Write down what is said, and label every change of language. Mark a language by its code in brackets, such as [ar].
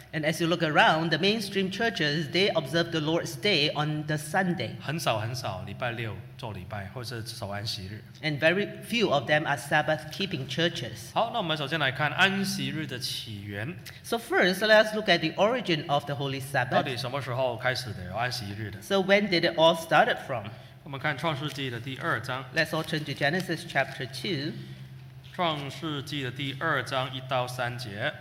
[en] And as you look around, the mainstream churches, they observe the Lord's Day on the Sunday. [zh] 很少很少礼拜六做礼拜，或是守安息日。 [en] And very few of them are Sabbath-keeping churches. [zh] 好，那我们首先来看安息日的起源。 [en] So first, let's look at the origin of the Holy Sabbath. [zh] 到底什么时候开始的有安息日的？ [en] So when did it all started from? [zh] 我们看创世纪的第二章。 [en] Let's all turn to Genesis chapter 2. [zh] 创世纪的第二章一到三节。